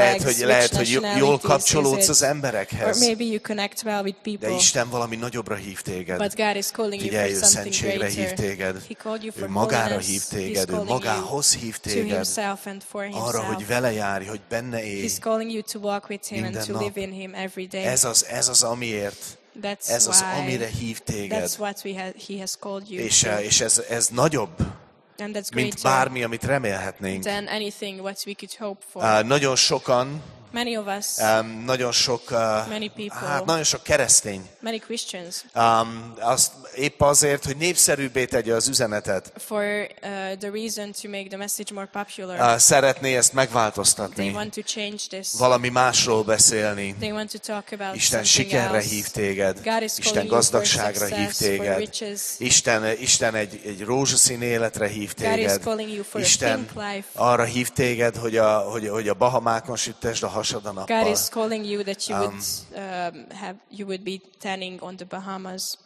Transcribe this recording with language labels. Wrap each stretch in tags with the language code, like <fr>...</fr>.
<hu>lehet, hogy lehet, hogy jól kapcsolódsz az emberekhez.</hu> <en>Or maybe you connect well with people.</en> <hu>De Isten valami nagyobbra hív téged.</hu> <en>But God is calling</en> <hu>figyelj,</hu> <en>you for something greater.</en> <hu>Figyelj, ő szentségre hív téged.</hu> <en>He called you for holiness.</en> <hu>Ő magára hív téged. Ő magához hív téged.</hu> <en>To himself and for himself.</en> <hu>Arra, hogy vele járj, hogy benne élj.</hu> <en>He's calling you to walk with him and to live in him every day.</en> <hu>Ez az amiért.</hu> <en>That's</en> <hu>ez az,</hu> <en>why,</en> <hu>amire hív téged.</hu> <en>That's what he has called you.</en> <hu>És ez nagyobb,</hu> <en>and that's</en> <hu>mint bármi, amit remélhetnénk.</hu> <en>Than anything what we could hope for.</en> <hu>Nagyon sokan,</hu> <en>many of us,</en> <hu>nagyon sok,</hu> <en>many people,</en> <hu>hát nagyon sok keresztény,</hu> <en>many Christians,</en> <hu>azt épp azért, hogy népszerűbbé tegye az üzenetet,</hu> <en>for the reason to make the message more popular,</en> <hu>szeretné ezt megváltoztatni,</hu> <en>they want to change this,</en> <hu>valami másról beszélni,</hu> <en>they want to talk about</en> <hu>Isten sikerre</hu> <en>else.</en> <hu>Hív téged,</hu> <en>God is</en> <hu>Isten gazdagságra</hu> <en>success,</en> <hu>hív téged, Isten egy rózsaszín életre hív téged, Isten arra hív téged, hogy a Bahamákon sütesd a hasad a nappal.</hu> <en>God is calling you that you would you would be tanning on the Bahamas.</en>